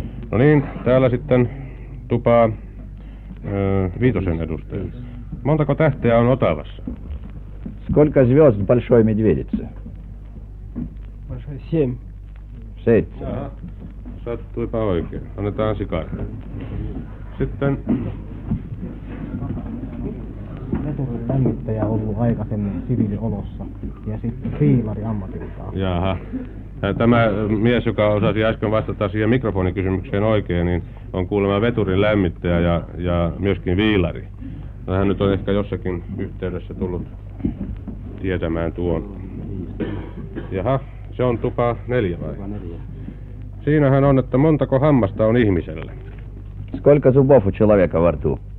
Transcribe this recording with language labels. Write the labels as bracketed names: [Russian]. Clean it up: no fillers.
[Finnish] No niin, täällä sitten tupaa viitosen edustaja. Montako tähteä on Otavassa? [Russian] Сколько звезд большой медведицы? Большой семь. [Finnish] Seitsemän. Sattuipa oikein. Annetaan sikari. Sitten... Veturilämmittäjä on ollut aikaisemmin siviiliolossa ja sitten fiilari ammatiltaan. Jaha. Tämä mies, joka osasi äsken vastata siihen mikrofonikysymykseen oikein, niin on kuulemma veturin lämmittäjä ja myöskin viilari. Hän nyt on ehkä jossakin yhteydessä tullut tietämään tuon. Jaha, se on tupa neljä vai? Tupa neljä. Siinähän on, että montako hammasta on ihmisellä? [Russian] Сколько зубов у человека во рту?